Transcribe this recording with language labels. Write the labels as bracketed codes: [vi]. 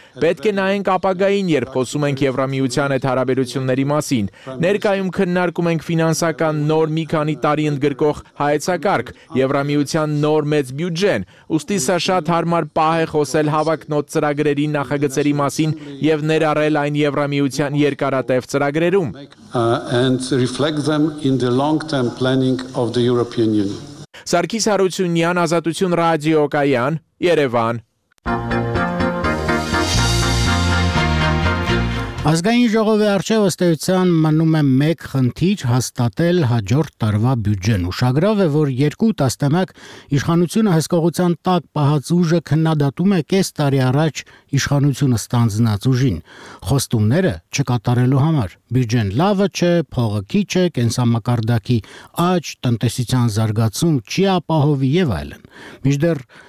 [hy] Պետք է նայենք ապագային, երբ խոսում ենք Եվրամիության հետ հարաբերությունների մասին։ Ներկայում քննարկում ենք ֆինանսական նոր մի քանի տարի ընդգրկող հայեցակարգ, Եվրամիության նոր մեծ բյուջեն, ուստի սա շատ հարմար պահ է խոսել հավակնոտ ծրագրերի նախագծերի մասին եւ ներառել այն Եվրամիության երկարատև ծրագրերում։ [en] And reflect them in the long-term planning of the European Union. [hy] Սարգիս Հարությունյան, Ազատություն ռադիո Կայան, Երևան։ Ազգային ժողովի առջև ըստեյության մնում է մեկ խնդիր՝ հաստատել հաջորդ տարվա բյուջեն։ Ուշագրավ է, որ երկու տասնամյակ իշխանությունը հսկողության տակ պահած ուժը քննադատում է կես տարի առաջ իշխանությունը ստանձնած ուժին, խոստումները չկատարելու համար։ Բյուջեն լավը չէ, փողը քիչ է, կենսամակարդակի աճ, տնտեսության զարգացում չի ապահովի եւ այլն։ Միջդեռ